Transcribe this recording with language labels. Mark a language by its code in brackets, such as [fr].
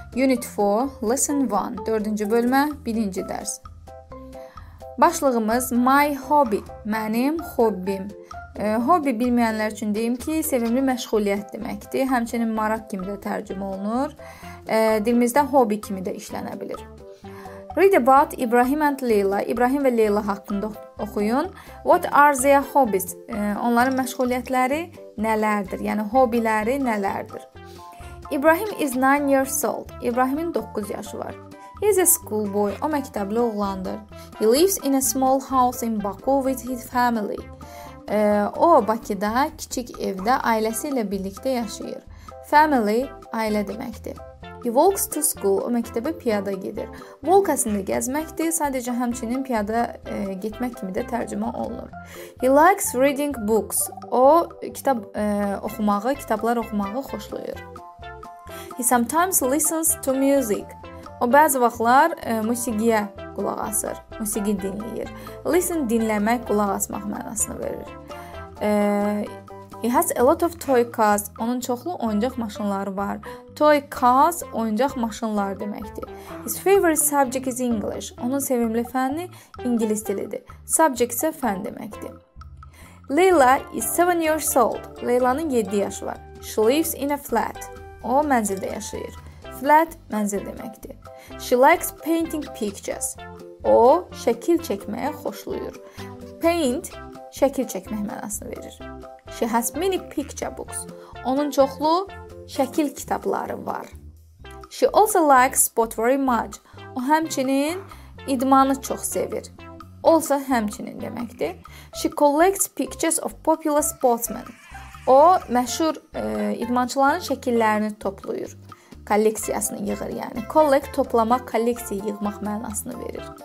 [en] Unit 4, Lesson 1, [az] 4-cü bölmə, 1-ci dərs. Başlığımız [en] My Hobby, [az] mənim hobbim. Hobby bilməyənlər üçün deyim ki, sevimli məşğuliyyət deməkdir. Həmçinin maraq kimi də tərcümə olunur. Dilimizdə hobby kimi də işlənə bilir. [en] Read about Ibrahim and Leyla. [az] İbrahim və Leyla haqqında oxuyun. [en] What are their hobbies? [az] Onların məşğuliyyətləri nələrdir? Yəni, hobbiləri nələrdir? [en] Ibrahim is 9 years old. [az] İbrahimin 9 yaşı var. [en] He is a schoolboy. [az] O məktəbli oğlandır. [en] He lives in a small house in Baku with his family. [az] O, Bakıda kiçik evdə ailəsi ilə birlikdə yaşayır. Family ailə deməkdir. [en] He walks to school, [az] o məktəbə piyada gedir. Walk əslində gəzməkdir, sadəcə həmçinin piyada getmək kimi də tərcümə olunur. [en] He likes reading books, [az] o kitab oxumağı, kitablar oxumağı xoşlayır. [en] He sometimes listens to music, [az] o bəzi vaxtlar musiqiyə qulaq asır, musiqi dinləyir. Listen dinləmək, qulaq asmaq mənasını verir. [en] He has a lot of toy cars. [az] Onun çoxlu oyuncaq maşınları var. Toy cars oyuncaq maşınlar deməkdir. [en] His favorite subject is English. [az] Onun sevimli fənni ingilis dilidir. Subject isə fən deməkdir. [en] Leyla is 7 years old. [az] Leylanın 7 yaşı var. [en] She lives in a flat. [az] O mənzildə yaşayır. [en] Flat [az] mənzil deməkdir. [en] She likes painting pictures. [az] O şəkil çəkməyə xoşlayır. Paint şəkil çəkmək mənasını verir. [en] She has many picture books. [az] Onun çoxlu şəkil kitabları var. [en] She also likes sport very much. [az] O həmçinin idmanı çox sevir. Olsa həmçinin deməkdir. [en] She collects pictures of popular sportsmen. [az] O, məşhur idmançıların şəkillərini toplayır. Kolleksiyasını yığır, yəni. Collect, toplamaq, kolleksiya yığmaq mənasını verir.